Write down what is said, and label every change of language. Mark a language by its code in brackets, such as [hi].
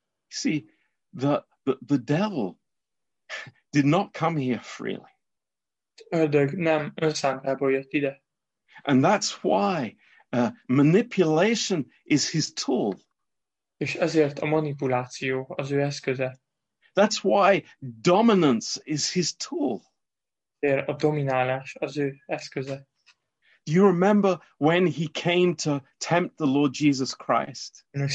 [en] See, the devil did not come here freely. [hu] Ördög nem önszántából jött ide. [en] And that's why manipulation is his tool. [hu] És ezért a manipuláció az ő eszköze. [en] That's why dominance is his tool. [hu] Ezért a dominálás az ő eszköze. [en] Do you remember when he came to tempt the Lord Jesus Christ?